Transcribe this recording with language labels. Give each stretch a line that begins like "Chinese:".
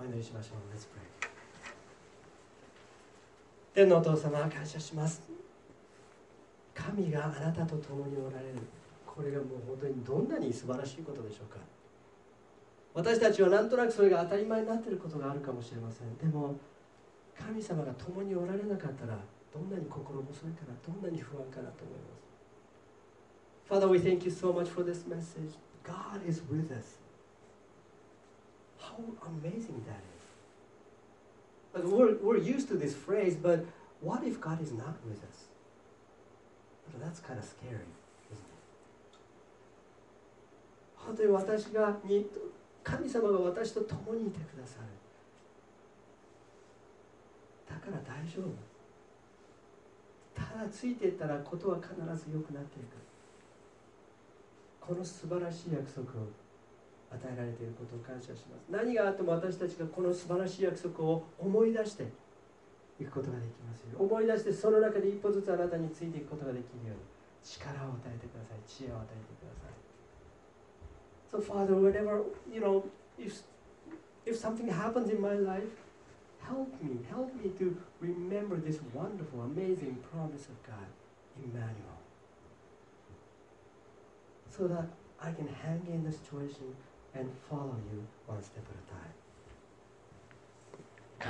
Japanese: お祈りしましょう。
English: Let's pray.
Japanese: 天のお父様、感謝します。神があなたと共におられる。これがもう本当にどんなに素晴らしいことでしょうか。私たちはなんとなくそれが当たり前になっていることがあるかもしれません。でも、神様が共におられなかったら、どんなに心細いかな、どんなに不安かなと思います。
English: Father, we thank you so much for this message. God is with us. How amazing that is. Like, we're used to this phrase, but what if God is not with us? That's kind of scary, isn't it?
Japanese: 本当に私がに、神様が私と共にいてくださる。だから大丈夫。ただついていったらことは必ず良くなっていく。この素晴らしい約束を与えられていることを感謝します。何があっても私たちがこの素晴らしい約束を思い出していくことができますように、思い出してその中で一歩ずつあなたについていくことができるように力を与えてください、知恵を与えてください。
English: So Father, whenever you know, if something happens in my life, help me to remember this wonderful, amazing promise of God, Emmanuel. So that I can hang in the situation and follow you one step at a time.